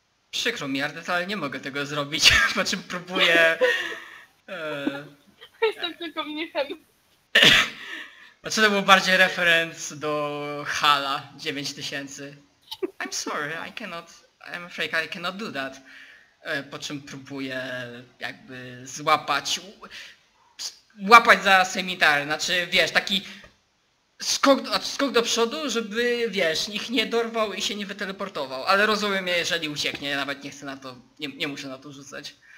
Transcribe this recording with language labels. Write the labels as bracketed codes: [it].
[pl] Przykro mi, Ardet, ale nie mogę tego zrobić. Po czym próbuję... Jestem tylko mnichem. A co to było bardziej referenc do Hala 9000? [en] I'm sorry, I'm afraid I cannot do that. [pl] Po czym próbuję jakby złapać za semitar, znaczy wiesz, taki skok do przodu, żeby wiesz, ich nie dorwał i się nie wyteleportował. Ale rozumiem, jeżeli ucieknie, ja nawet nie chcę na to, nie muszę na to rzucać.